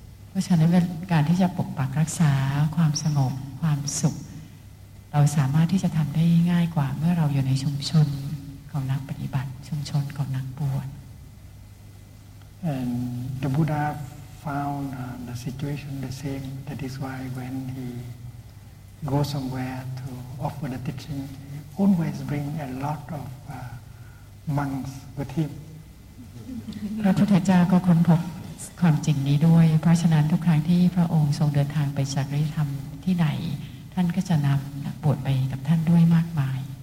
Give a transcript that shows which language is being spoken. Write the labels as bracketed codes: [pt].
[th] เพราะฉะนั้นเป็นการที่จะปกปักรักษาความสงบความสุขเราสามารถที่จะทำได้ง่ายกว่าเมื่อเราอยู่ในชุมชนของนักปฏิบัติชุมชนของนักบวช [en] and the Buddha found the situation the same that is why when he go somewhere to offer the teaching he always bring a lot of monks with him. [th] พระพุทธเจ้าก็ค้นพบความจริงนี้ด้วยเพราะฉะนั้นทุกครั้งที่พระองค์ทรงเดินทางไปสักการะธรรมที่ไหนท่านก็จะนำนักบวชไปกับท่านด้วยมากมาย